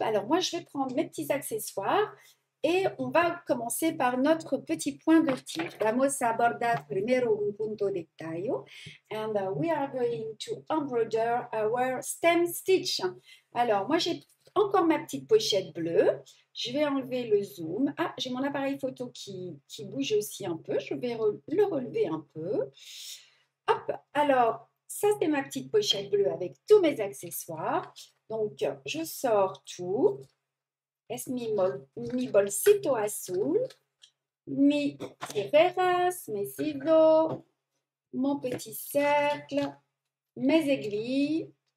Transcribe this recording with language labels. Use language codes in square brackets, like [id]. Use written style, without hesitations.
[fr] Alors, moi, je vais prendre mes petits accessoires. Et on va commencer par notre petit point de tir. [es] Vamos abordar primero un punto de tallo. [en] And we are going to embroider our stem stitch. [fr] Alors, moi, j'ai encore ma petite pochette bleue. Je vais enlever le zoom. Ah, j'ai mon appareil photo qui bouge aussi un peu. Je vais le relever un peu. Hop, alors, ça, c'est ma petite pochette bleue avec tous mes accessoires. Donc, je sors tout. [es] Es mi bolsito azul, mis tijeras, [fr] mes ciseaux, mon petit cercle, mes aiguilles.